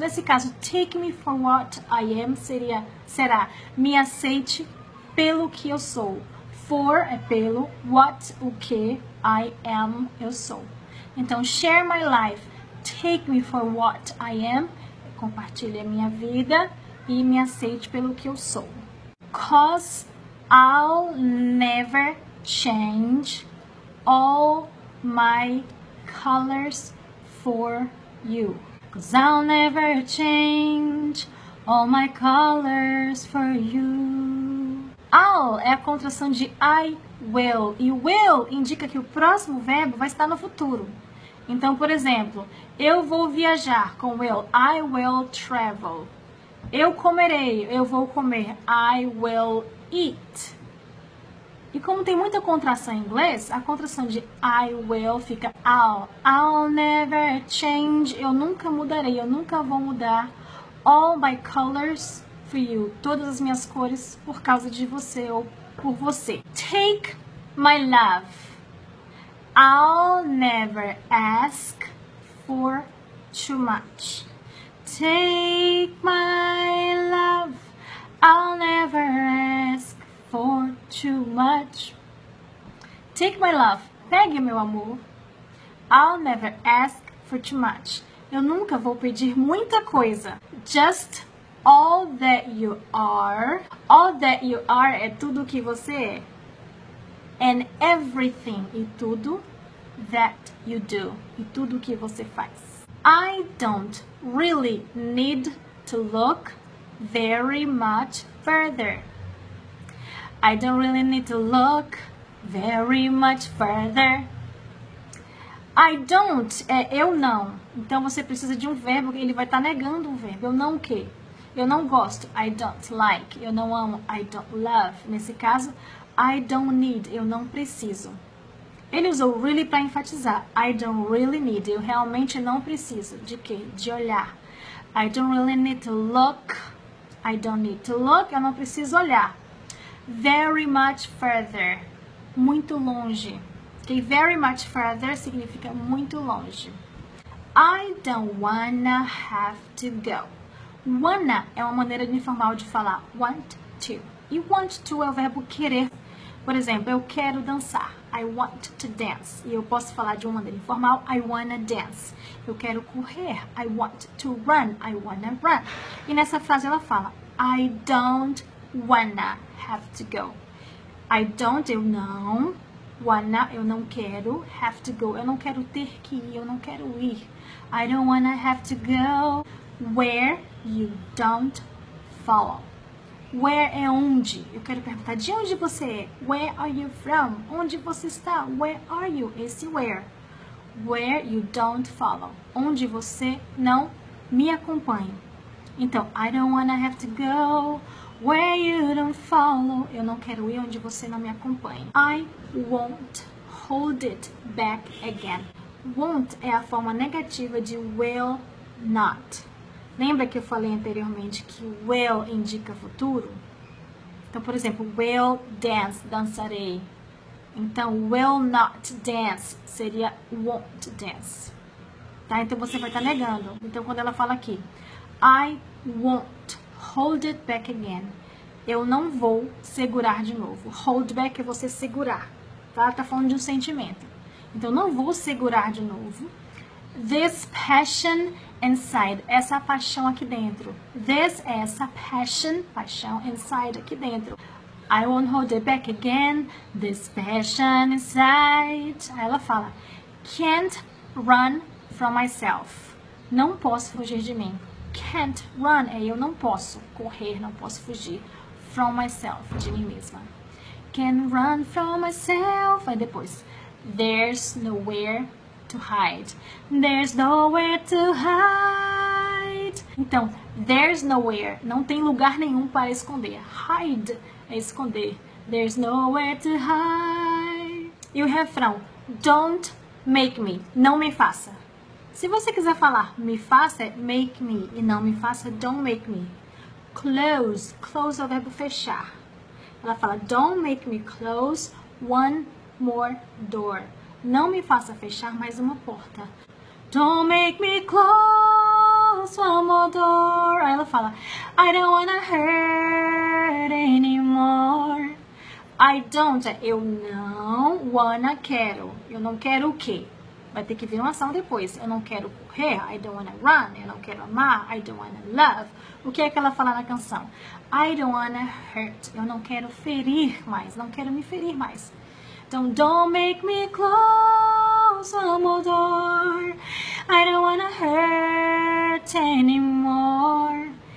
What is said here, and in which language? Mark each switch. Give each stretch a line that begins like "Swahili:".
Portuguese: Nesse caso,
English: take me for what I am
Portuguese: será me aceite pelo que eu sou. For é pelo, what, o que,
English: I am,
Portuguese: eu sou. Então,
English: share my life, take me for what I am,
Portuguese: compartilhe a minha vida e me aceite pelo que eu sou.
English: Cause I'll never change all my colors for you. Cause I'll never change all my colors for you.
Portuguese: I'll é a contração de I will. E will indica que o próximo verbo vai estar no futuro. Então, por exemplo, eu vou viajar com will.
English: I will travel.
Portuguese: Eu comerei. Eu vou comer.
English: I will eat.
Portuguese: E como tem muita contração em inglês, a contração de I will fica I'll.
English: I'll never change.
Portuguese: Eu nunca mudarei. Eu nunca vou mudar.
English: All my colors. For you,
Portuguese: todas as minhas cores por causa de você ou por você.
English: Take my love. I'll never ask for too much. Take my love. I'll never ask for too much. Take my love.
Portuguese: Pegue meu amor.
English: I'll never ask for too much.
Portuguese: Eu nunca vou pedir muita coisa.
English: Just All that you are. All that you are
Portuguese: é tudo que você é.
English: And everything.
Portuguese: E tudo
English: that you do.
Portuguese: E tudo que você faz.
English: I don't really need to look very much further. I don't really need to look very much further. I don't
Portuguese: é eu não. Então você precisa de um verbo. Ele vai estar negando um verbo. Eu não o quê? Eu não gosto.
English: I don't like.
Portuguese: Eu não amo.
English: I don't love.
Portuguese: Nesse caso,
English: I don't need.
Portuguese: Eu não preciso. Ele usou really para enfatizar.
English: I don't really need.
Portuguese: Eu realmente não preciso. De quê? De olhar.
English: I don't really need to look. I don't need to look.
Portuguese: Eu não preciso olhar.
English: Very much further.
Portuguese: Muito longe. Okay?
English: Very much further
Portuguese: significa muito longe.
English: I don't wanna have to go.
Portuguese: Wanna é uma maneira informal de falar want to. E want to é o verbo querer. Por exemplo, eu quero dançar.
English: I want to dance.
Portuguese: E eu posso falar de uma maneira informal,
English: I wanna dance.
Portuguese: Eu quero correr.
English: I want to run. I wanna run.
Portuguese: E nessa frase ela fala,
English: I don't wanna have to go. I don't,
Portuguese: eu não. Wanna, eu não quero.
English: Have to go,
Portuguese: eu não quero ter que ir. Eu não quero ir.
English: I don't wanna have to go. Where you don't follow.
Portuguese: Where é onde? Eu quero perguntar, de onde você é?
English: Where are you from?
Portuguese: Onde você está?
English: Where are you? Esse where. Where you don't follow.
Portuguese: Onde você não me acompanha. Então,
English: I don't wanna have to go where you don't follow.
Portuguese: Eu não quero ir onde você não me acompanha.
English: I won't hold it back again.
Portuguese: Won't é a forma negativa de will not. Lembra que eu falei anteriormente que will indica futuro? Então, por exemplo,
English: will dance,
Portuguese: dançarei. Então,
English: will not dance
Portuguese: seria
English: won't dance.
Portuguese: Tá? Então você vai estar negando. Então, quando ela fala aqui,
English: I won't hold it back again.
Portuguese: Eu não vou segurar de novo.
English: Hold back
Portuguese: é você segurar. Tá? Tá falando de um sentimento. Então, não vou segurar de novo.
English: This passion inside,
Portuguese: essa paixão aqui dentro. This é essa
English: passion,
Portuguese: paixão
English: inside
Portuguese: aqui dentro.
English: I won't hold it back again, this passion inside.
Portuguese: Aí ela fala,
English: can't run from myself.
Portuguese: Não posso fugir de mim.
English: Can't run
Portuguese: é eu não posso correr, não posso fugir.
English: From myself,
Portuguese: de mim mesma.
English: Can't run from myself.
Portuguese: Aí depois,
English: there's nowhere to hide. There's nowhere to hide.
Portuguese: Então,
English: there's nowhere,
Portuguese: não tem lugar nenhum para esconder. Hide é esconder.
English: There's nowhere to hide.
Portuguese: E o refrão,
English: don't make me,
Portuguese: não me faça. Se você quiser falar me faça, é
English: make me,
Portuguese: e não me faça,
English: don't make me.
Portuguese: Close, close é o verbo fechar. Ela fala,
English: don't make me close one more door.
Portuguese: Não me faça fechar mais uma porta.
English: Don't make me close one more door.
Portuguese: Aí ela fala,
English: I don't wanna hurt anymore. I don't,
Portuguese: eu não
English: wanna
Portuguese: quero. Eu não quero o quê? Vai ter que vir uma ação depois. Eu não quero correr,
English: I don't wanna run.
Portuguese: Eu não quero amar,
English: I don't wanna love.
Portuguese: O que é que ela fala na canção?
English: I don't wanna hurt.
Portuguese: Eu não quero ferir mais, não quero me ferir mais.
English: Então, don't make me close one more door. I don't wanna hurt anymore.